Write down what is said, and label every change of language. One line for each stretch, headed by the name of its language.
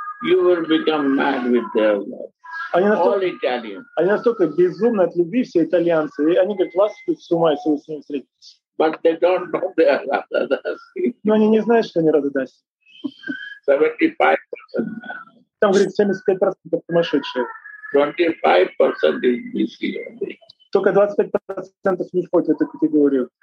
English: You will become mad with their love.
Russian: Они
English: all Italian.
Russian: Они настолько безумны от любви, все итальянцы. И они говорят, вас тут с ума, если вы с ними встретитесь.
English: But they don't know the Radha-dasi.
Russian: Но они не знают, что они Рададаси.
English: 75%.
Russian: Там, говорит, 75% сумасшедшие.
English: 25% is missing.
Russian: Только 25% не входит в эту категорию.